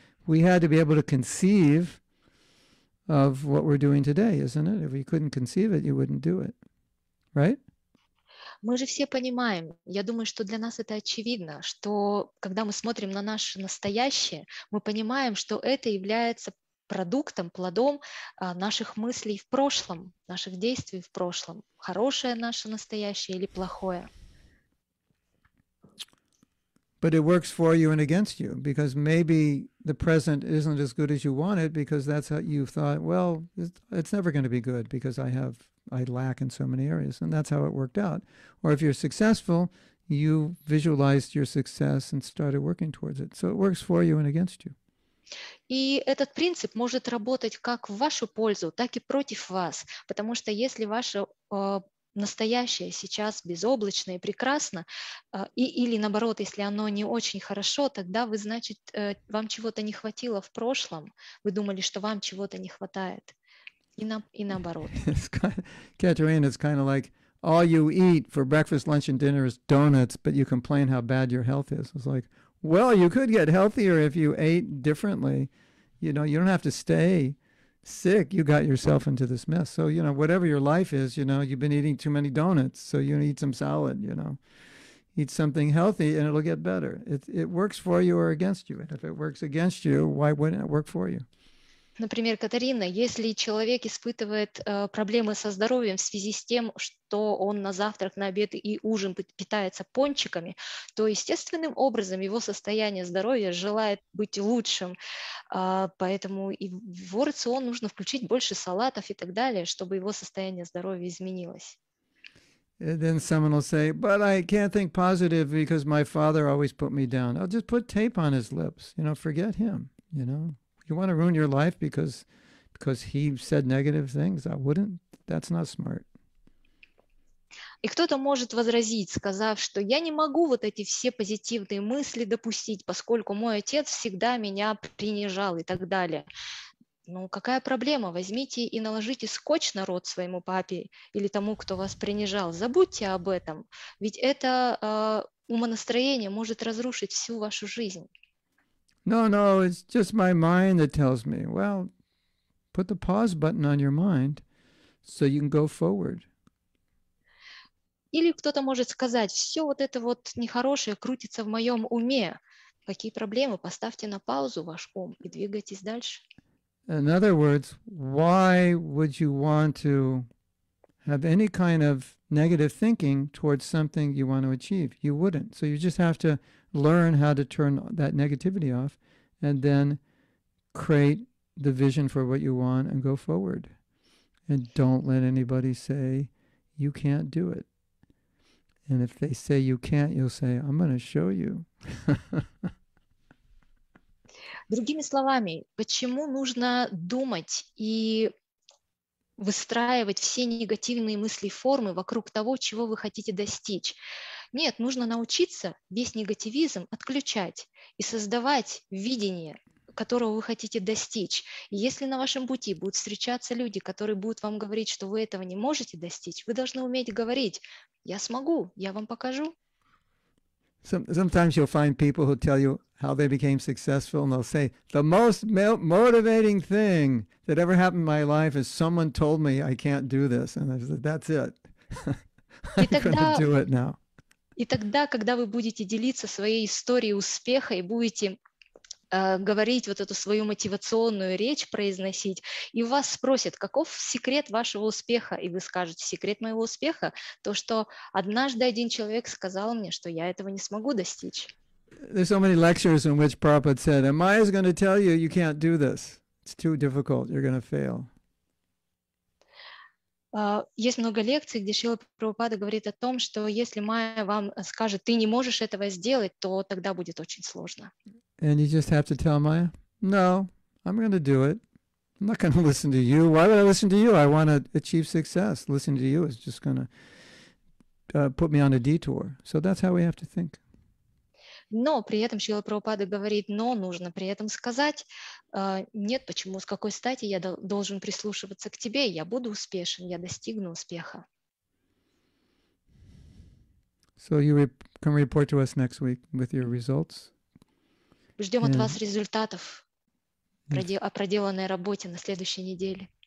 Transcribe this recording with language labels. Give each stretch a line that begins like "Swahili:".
English: We had to be able to conceive of what we're doing today, isn't it? If we couldn't conceive it, you wouldn't do it, right?
Russian: Мы же все понимаем, я думаю, что для нас это очевидно, что когда мы смотрим на наше настоящее, мы понимаем, что это является продуктом, плодом наших мыслей в прошлом, наших действий в прошлом. Хорошее наше настоящее или плохое.
English: But it works for you and against you, because maybe the present isn't as good as you want it, because that's how you thought, well, it's never going to be good, because I lack in so many areas, and that's how it worked out. Or if you're successful, you visualized your success and started working towards it. So it works for you and against you.
Russian: И этот принцип может работать как в вашу пользу, так и против вас, потому что если ваше настоящее сейчас безоблачно и прекрасно, или наоборот, если оно не очень хорошо, тогда вы, значит, вам чего-то не хватило в прошлом, вы думали, что вам чего-то не хватает, и наоборот.
English: Catherine, it's kind of like all you eat for breakfast, lunch and dinner is donuts, but you complain how bad your health is. It's like, well, you could get healthier if you ate differently. You know, you don't have to stay sick. You got yourself into this mess. So, you know, whatever your life is, you know, you've been eating too many donuts. So you need some salad, you know, eat something healthy and it'll get better. It works for you or against you. And if it works against you, why wouldn't it work for you?
Russian: Например, Катерина, если человек испытывает проблемы со здоровьем в связи с тем, что он на завтрак, на обед и ужин питается пончиками, то естественным образом его состояние здоровья желает быть лучшим, поэтому и в его рацион нужно включить больше салатов и так далее, чтобы его состояние здоровья изменилось.
English: And then someone will say, but I can't think positive because my father always put me down. I'll just put tape on his lips, you know, forget him, you know. You want to ruin your life because he said negative things? I wouldn't. That's not smart.
Russian: И кто-то может возразить, сказав, что я не могу вот эти все позитивные мысли допустить, поскольку мой отец всегда меня принижал и так далее. Ну, какая проблема? Возьмите и наложите скотч на рот своему папе или тому, кто вас принижал. Забудьте об этом. Ведь это умонастроение может разрушить всю вашу жизнь.
English: No, it's just my mind that tells me, well, put the pause button on your mind so you can go forward.
Russian: Или кто-то может сказать, все вот это вот нехорошее крутится в моем уме. Какие проблемы? Поставьте на паузу ваш ум и двигайтесь дальше.
English: In other words, why would you want to have any kind of negative thinking towards something you want to achieve? You wouldn't. So you just have to learn how to turn that negativity off and then create the vision for what you want and go forward. And don't let anybody say, you can't do it. And if they say you can't, you'll say, I'm going to show you.
Russian: Другими словами, почему нужно думать и выстраивать все негативные мысли и формы вокруг того, чего вы хотите достичь? Нет, нужно научиться весь негативизм отключать и создавать видение, которого вы хотите достичь. И если на вашем пути будут встречаться люди, которые будут вам говорить, что вы этого не можете достичь, вы должны уметь говорить: «Я смогу, я вам покажу».
English: Sometimes you'll find people who tell you how they became successful, and they'll say, the most motivating thing that ever happened in my life is someone told me I can't do this. And I said, that's it. I'm going to do it now.
Russian: И тогда, когда вы будете делиться своей историей успеха и будете говорить вот эту свою мотивационную речь, произносить, и вас спросят, каков секрет вашего успеха, и вы скажете, секрет моего успеха, то, что однажды один человек сказал мне, что я этого не смогу достичь.
English: There's so many lectures in which Prabhupada said, and Maya's going to tell you, you can't do this. It's too difficult. You're going to fail.
Russian: Есть много лекций, где Шрила Прабхупада говорит о том, что если Майя вам скажет, ты не можешь этого сделать, то тогда будет очень сложно.
English: And you just have to tell Maya, no, I'm going to do it. I'm not going to listen to you. Why would I listen to you? I want to achieve success. Listening to you is just going to put me on a detour. So that's how we have to think.
Russian: Но при этом Шрила Прабхупада говорит, но нужно при этом сказать, нет, почему, с какой стати я должен прислушиваться к тебе, я буду успешен, я достигну успеха.
English: So you can report to us next week with your results.
Russian: Ждем от вас результатов о проделанной работе на следующей неделе.